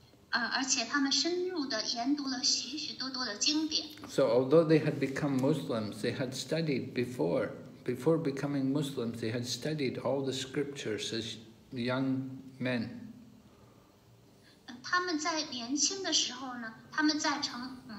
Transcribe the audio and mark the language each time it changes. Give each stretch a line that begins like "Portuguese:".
Chinese: 而且他们深入地研读了许许多多的经典。
English: So although they had become Muslims, they had studied before becoming Muslims, they had studied all the scriptures as young men.
Chinese: 他们在年轻的时候呢, 他们在成,